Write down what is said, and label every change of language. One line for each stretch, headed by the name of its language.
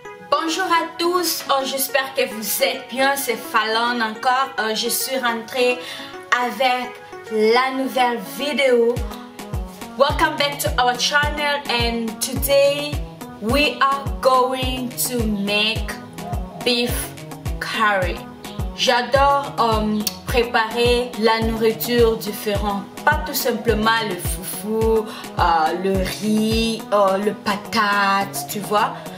French: Bonjour à tous, j'espère que vous êtes bien, c'est Falone encore. Je suis rentrée avec la nouvelle vidéo.
English: Welcome back to our channel and today we are going to make beef curry.
French: J'adore préparer la nourriture différente, pas tout simplement le foufou, le riz, le patate, tu vois.